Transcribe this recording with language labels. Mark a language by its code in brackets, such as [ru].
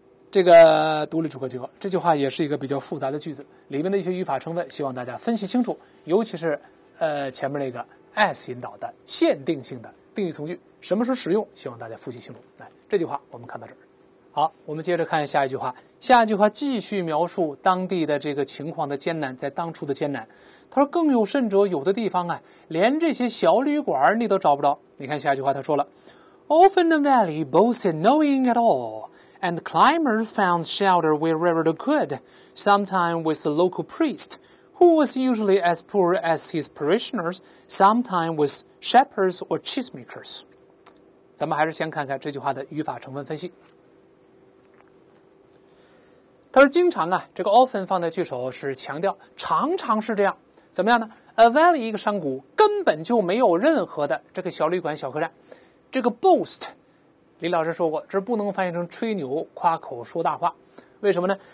[zh] 这个独立组合结构，这句话也是一个比较复杂的句子，里面的一些语法成分，希望大家分析清楚，尤其是前面那个 as 引导的限定性的定语从句，什么时候使用，希望大家复习清楚。来，这句话我们看到这儿。好，我们接着看下一句话。下一句话继续描述当地的这个情况的艰难，在当初的艰难。他说更有甚者，有的地方啊，连这些小旅馆你都找不着。你看下一句话他说了 [en] Often the valley boasted no inn at all, and climbers found shelter wherever they could, sometime with the local priest, who was usually as poor as his parishioners, sometime with shepherds or cheesemakers. [zh] 咱们还是先看看这句话的语法成分分析。他说经常啊，这个 often 放在句首是强调常常是这样，怎么样呢？ A valley 一个山谷，根本就没有任何的这个小旅馆小客栈。这个 boast 李老师说过，这不能翻译成吹牛夸口说大话，为什么呢？